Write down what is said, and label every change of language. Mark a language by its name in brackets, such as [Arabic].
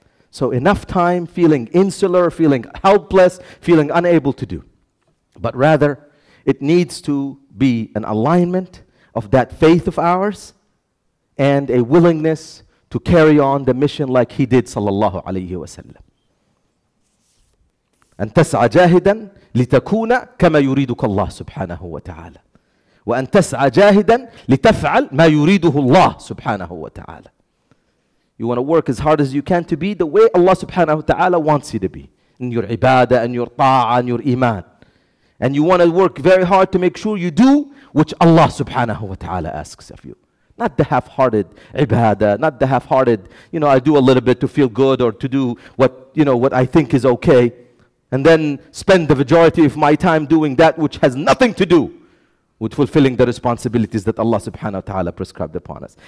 [English] So enough time feeling insular, feeling helpless, feeling unable to do. But rather, it needs to be an alignment of that faith of ours and a willingness to carry on the mission like he did, sallallahu alayhi wa sallam. [Arabic] أن تسعى جاهدا لتكون كما يريدك الله سبحانه وتعالى وأن تسعى جاهدا لتفعل ما يريده الله سبحانه وتعالى. [English] You want to work as hard as you can to be the way Allah subhanahu wa ta'ala wants you to be in your ibadah and your ta'ah and your iman. And you want to work very hard to make sure you do which Allah subhanahu wa ta'ala asks of you. Not the half-hearted ibadah, not the half-hearted, you know, I do a little bit to feel good or to do what, you know, what I think is okay, and then spend the majority of my time doing that which has nothing to do with fulfilling the responsibilities that Allah subhanahu wa ta'ala prescribed upon us.